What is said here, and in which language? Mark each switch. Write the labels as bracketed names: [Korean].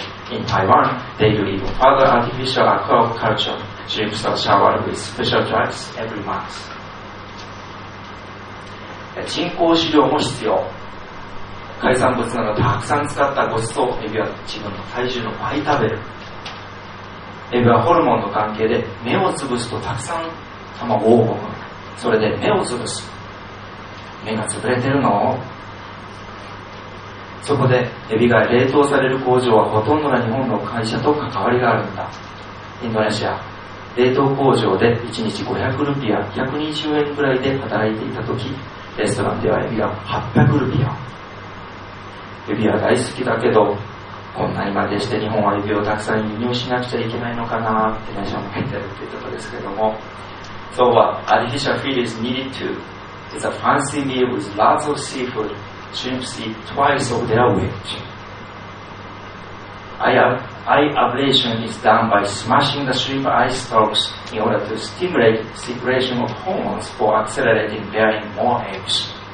[English] In Taiwan, they do even further artificial aquaculture. Shrimp are showered with special drugs every month. [Japanese] 人工飼料も必要。海産物などたくさん使ったごちそう、エビは自分の体重の倍食べる。エビはホルモンの関係で目をつぶすとたくさん卵を産む。それで目をつぶす。目がつぶれてるの? そこでエビが冷凍される工場はほとんどの日本の会社と関わりがあるんだ。インドネシア、冷凍工場で1日500ルピア、120円くらいで働いていたとき、レストランではエビが800ルピア。エビは大好きだけど、こんなにまでして日本はエビをたくさん輸入しなくちゃいけないのかなって電車も入ってるっていうところですけども。 [English] So what artificial feed is needed to? It's a fancy meal with lots of seafood. Shrimps eat twice of their weight. Eye ablation is done by smashing the shrimp eye stalks in order to stimulate secretion of hormones for accelerating bearing more eggs.